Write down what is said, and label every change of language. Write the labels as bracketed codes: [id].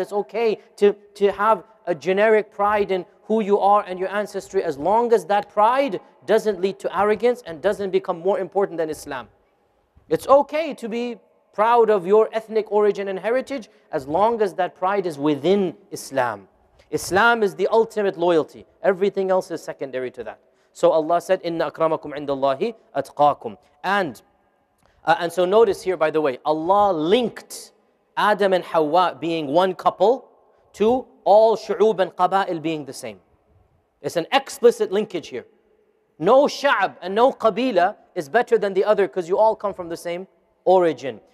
[en] It's okay to have a generic pride in who you are and your ancestry, as long as that pride doesn't lead to arrogance and doesn't become more important than Islam. It's okay to be proud of your ethnic origin and heritage as long as that pride is within Islam. Islam is the ultimate loyalty. Everything else is secondary to that. So Allah said, [ar] إِنَّ أَكْرَمَكُمْ عِنْدَ اللَّهِ أَتْقَاكُمْ. [en] And so notice here, by the way, Allah linked Adam and Hawa being one couple to all shu'ub and qaba'il being the same. It's an explicit linkage here. No sha'ab and no qabila is better than the other because you all come from the same origin.